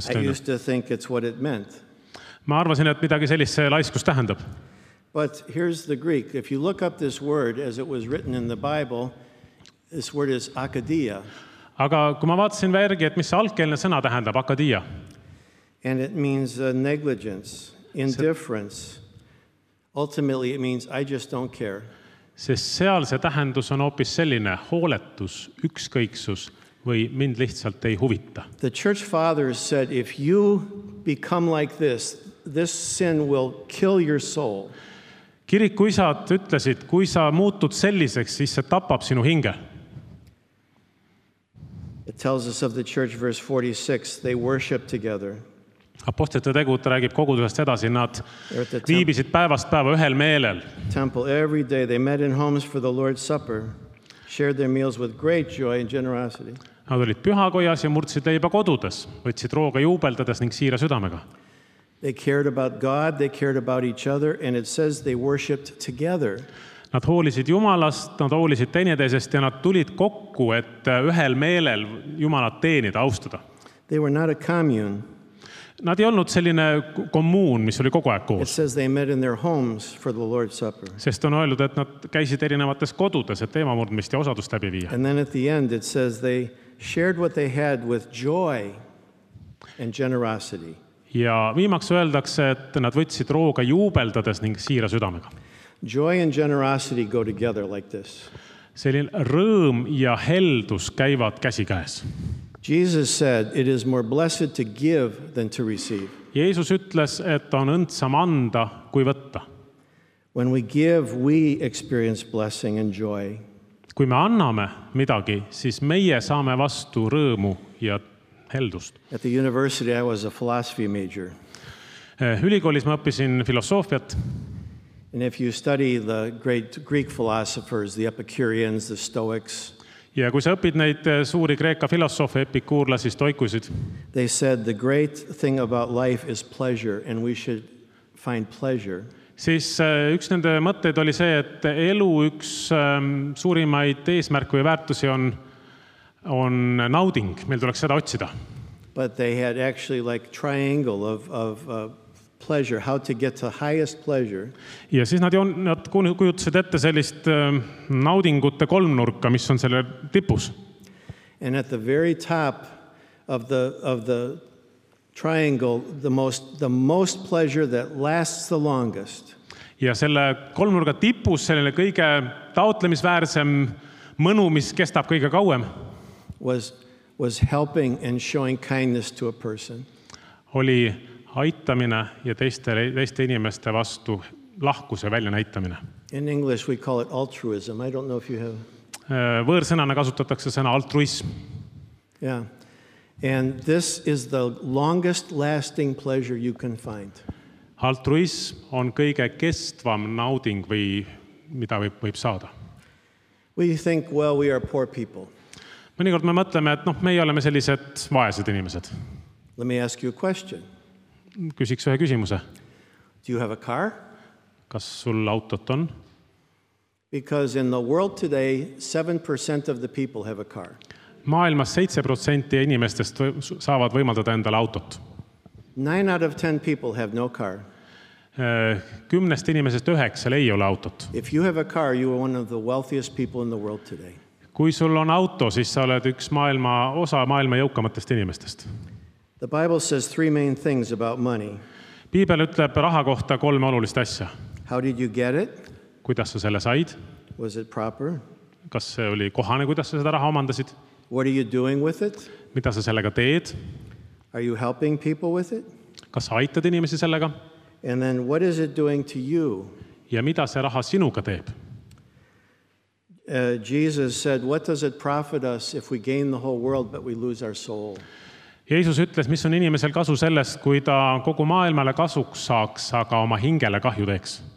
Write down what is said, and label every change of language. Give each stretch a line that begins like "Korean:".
English: stone. I used to think it's what it meant.
Estonian: Ma arvasin, et midagi sellist laiskus tähendab.
English: But here's the Greek. If you look up this word as it was written in the Bible, this word is akadia.
Estonian: Aga kui ma vaatasin värgi, et mis see algkeelne sõna tähendab, akadia.
English: And it means negligence, indifference. Ultimately, it means I just don't care.
Estonian: Sest seal see tähendus on hoopis selline, hooletus, ükskõiksus või mind lihtsalt ei huvita.
English: The church fathers said, if you become like this, this sin will kill your soul.
Estonian: Kiriku isad ütlesid, kui sa muutud selliseks, siis see tapab sinu hinge.
English: It tells us of the church, verse 46, they worship together.
Estonian: Apostlite tegud räägib kogudusest edasi, nad viibisid päevast päeva ühel meelel.
English: Temple every day, they met in homes for the Lord's Supper, shared their meals with great joy and generosity.
Estonian: Nad olid pühakojas ja murtsid leiba kodudes, võtsid rooga juubeldades ning siira südamega.
English: They cared about God, they cared about each other, and it says they worshipped together.
Estonian: Nad hoolisid Jumalast, nad hoolisid teineteisest ja nad tulid kokku, et ühel meelel Jumalat teenida, austada.
English: They were not a commune.
Estonian: Nad ei olnud selline kommuun, mis oli kogu aeg koos.
English: It says they met in their homes for the Lord's Supper.
Estonian: Sest on öeldud, et nad käisid erinevates kodudes, et teemamurdmist ja osadust läbi viia.
English: And then at the end it says they shared what they had with joy and generosity.
Estonian: Ja viimaks öeldakse, et nad võtsid rooga juubeldades ning siira südamega.
English: Joy and generosity go together like this.
Estonian: Selline rõõm ja heldus käivad käsi käes.
English: Jesus said, it is more blessed to give than to receive.
Estonian: Jeesus ütles, et on õndsam anda kui võtta.
English: When we give, we experience blessing and joy.
Estonian: Kui me anname midagi, siis meie saame vastu rõõmu ja heldust.
English: At the university I was a philosophy major.
Estonian: Ülikoolis ma õppisin filosoofiat.
English: And if you study the great Greek philosophers, the Epicureans, the Stoics.
Estonian: Ja kui sa õpid neid suuri kreeka filosoofe, epikuurlasi, stoikusid.
English: They said the great thing about life is pleasure and we should find pleasure.
Estonian: Siis üks nende mõtteid oli see, et elu üks suurimaid eesmärku ja väärtusi on nauding, meil tuleks seda otsida.
English: But they had actually like triangle of pleasure, how to get to highest pleasure.
Estonian: Ja siis nad kujutasid ette sellist naudingute kolmnurka, mis on selle tipus.
English: And at the very top of the triangle, the most pleasure that lasts the longest.
Estonian: Ja selle kolmnurga tipus sellele kõige taotlemisväärsem mõnu, mis kestab kõige kauem.
English: Was helping and showing kindness to a person.
Estonian: Oli aitamine ja teiste inimeste vastu lahkuse välja näitamine.
English: In English we call it altruism. I don't know if you have.
Estonian: Võõrsõnana kasutatakse sõna altruism.
English: Yeah. And this is the longest lasting pleasure you can find.
Estonian: Altruism on kõige kestvam nauding või mida võib saada.
English: We think, well, we are poor people.
Estonian: Mõnikord me mõtleme, et meie oleme sellised vaesed inimesed.
English: Let me ask you a question.
Estonian: Küsiks ühe küsimuse.
English: Do you have a car?
Estonian: Kas sul autot on?
English: Because in the world today, 7% of the people have a car.
Estonian: Maailmas 7% inimestest saavad võimaldada endale autot.
English: 9 out of 10 people have no car.
Estonian: 10 inimesest 9 ei ole autot.
English: If you have a car, you are one of the wealthiest people in the world today.
Estonian: Kui sul on auto, siis sa oled üks maailma jõukamatest inimestest.
English: The Bible says three main things about money.
Estonian: Piibel ütleb raha kohta kolme olulist asja.
English: How did you get it?
Estonian: Kuidas sa selle said?
English: Was it proper?
Estonian: Kas see oli kohane, kuidas sa seda raha omandasid?
English: What are you doing with it?
Estonian: Mida sa sellega teed?
English: Are you helping people with it?
Estonian: Kas sa aitad inimesi sellega?
English: And then what is it doing to you?
Estonian: Ja mida see raha sinuga teeb?
English: Jesus said, what does it profit us if we gain the whole world but we lose our soul?
Estonian: Jeesus ütles, mis on inimesel kasu sellest, kui ta kogu maailmale kasuks saaks, aga oma hingele kahju teeks.